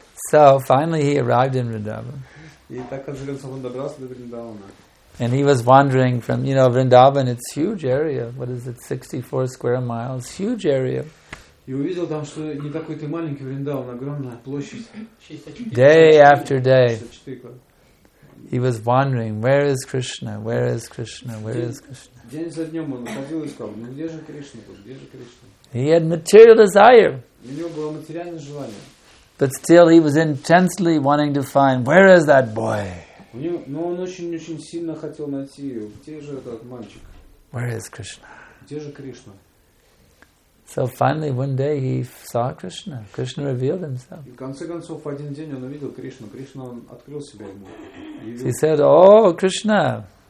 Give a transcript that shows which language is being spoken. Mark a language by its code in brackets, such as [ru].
[en] So finally he arrived in Vrindavan. And he was wandering from, you know, Vrindavan, it's a huge area. What is it, 64 square miles? Huge area. [ru] И увидел там, что не такой ты маленький Вриндаван, огромная площадь. [en] Day after day. He was wondering, where is Krishna? Where is Krishna? Where is Krishna? [ru] День за днем он ходил и сказал, ну где же Кришна тут? Где же Кришна? [en] He had material desire. [ru] У него было материальное желание. [en] But still he was intensely wanting to find, where is that boy? [ru] Но он очень-очень сильно хотел найти, где же этот мальчик? [en] Where is Krishna? [ru] Где же Кришна? [en] So finally, one day he saw Krishna. Krishna revealed himself. [ru] В конце концов, один день он увидел Кришну. Кришна открыл себя ему. [en] He said, "Oh, Krishna."